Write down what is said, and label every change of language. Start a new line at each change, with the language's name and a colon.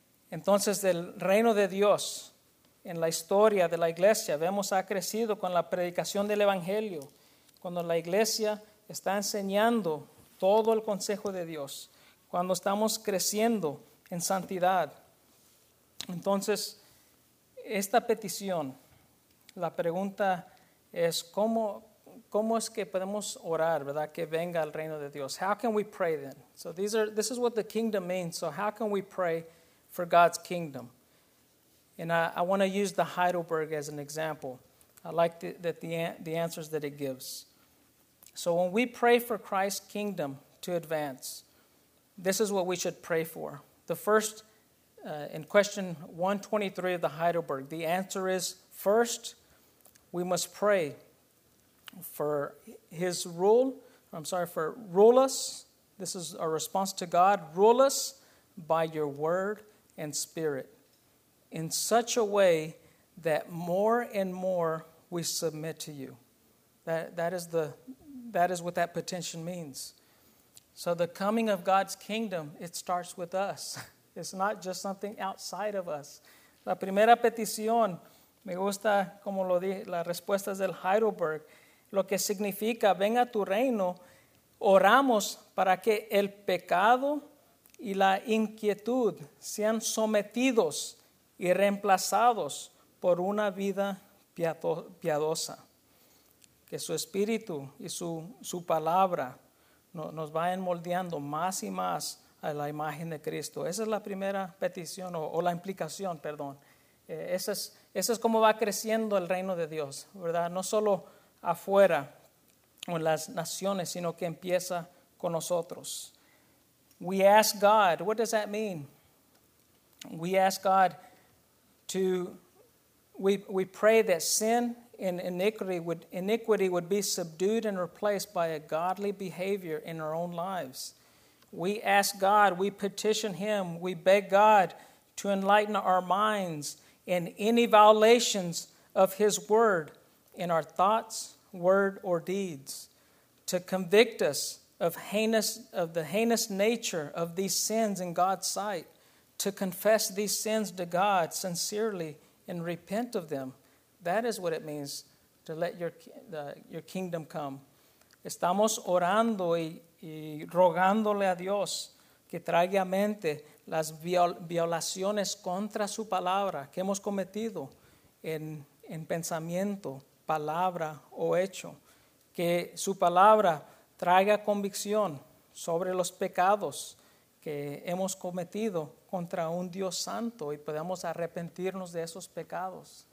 Spanish: Entonces, del reino de Dios en la historia de la iglesia, vemos ha crecido con la predicación del evangelio, cuando la iglesia está enseñando todo el consejo de Dios, cuando estamos creciendo en santidad. Entonces, esta petición, la pregunta es, ¿cómo es que podemos orar, verdad, que venga el reino de Dios?
English: How can we pray then? So this is what the kingdom means. So how can we pray for God's kingdom? And I want to use the Heidelberg as an example. I like the answers that it gives. So when we pray for Christ's kingdom to advance, this is what we should pray for. The first, in question 123 of the Heidelberg, the answer is, first, we must pray for his rule. I'm sorry, for rule us. This is our response to God. Rule us by your word and spirit in such a way that more and more we submit to you. That is what that petition means. So the coming of God's kingdom, it starts with us. It's not just something outside of us.
Spanish: La primera petición, me gusta como lo dije, la respuesta es del Heidelberg, lo que significa, venga tu reino, oramos para que el pecado y la inquietud sean sometidos y reemplazados por una vida piadosa. Que su espíritu y su palabra nos vayan moldeando más y más a la imagen de Cristo. Esa es la primera petición o la implicación, perdón. Eso es como va creciendo el reino de Dios, ¿verdad? No solo afuera o en las naciones, sino que empieza con nosotros.
English: We ask God, what does that mean? We ask God to, we pray that sin and iniquity would be subdued and replaced by a godly behavior in our own lives. We ask God, we petition Him, we beg God to enlighten our minds in any violations of His word in our thoughts, word, or deeds, to convict us of the heinous nature of these sins in God's sight, to confess these sins to God sincerely and repent of them. That is what it means to let your kingdom come.
Spanish: Estamos orando y rogándole a Dios que traiga a mente las violaciones contra su palabra que hemos cometido en pensamiento, palabra o hecho. Que su palabra traiga convicción sobre los pecados que hemos cometido contra un Dios santo y podamos arrepentirnos de esos pecados.